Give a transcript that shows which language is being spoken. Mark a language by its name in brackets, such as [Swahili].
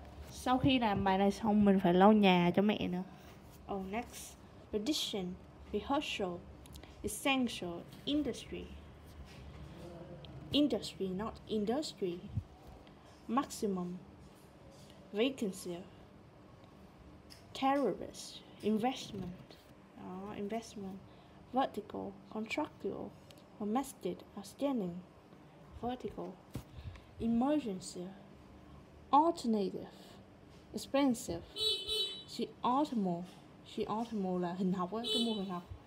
[Vietnamese] Sau khi làm bài này xong mình phải lau nhà cho mẹ nữa. [English] Oh, next. Tradition, rehearsal, essential, industry. Industry, not industry. Maximum, vacancy, terrorist, investment. Oh, investment. Vertical, contractual, domestic, outstanding. Vertical, emergency, alternative, expensive. She optimal. She optimal [Vietnamese] là hình học á, cái mô hình học.